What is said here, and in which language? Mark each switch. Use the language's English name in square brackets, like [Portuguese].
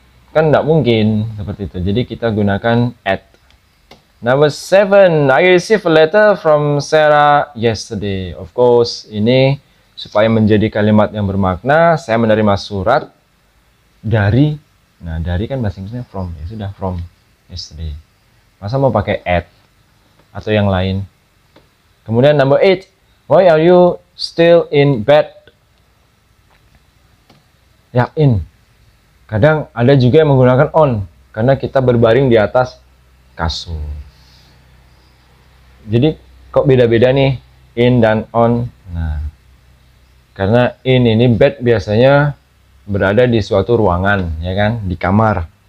[Indonesian] Kan tidak mungkin seperti itu. Jadi kita gunakan at. [English] Number 7, I received a letter from Sarah yesterday. Of course, [Indonesian] ini supaya menjadi kalimat yang bermakna, saya menerima surat dari, nah dari kan bahasa Inggrisnya from, ya sudah from yesterday. Masa mau pakai at atau yang lain? Kemudian [English] number 8, why are you still in bed? [Indonesian] Ya, in. Kadang ada juga yang menggunakan on. Karena kita berbaring di atas kasur. Jadi, kok beda-beda nih? In dan on. Nah, karena in ini bed biasanya berada di suatu ruangan, ya kan? Di kamar.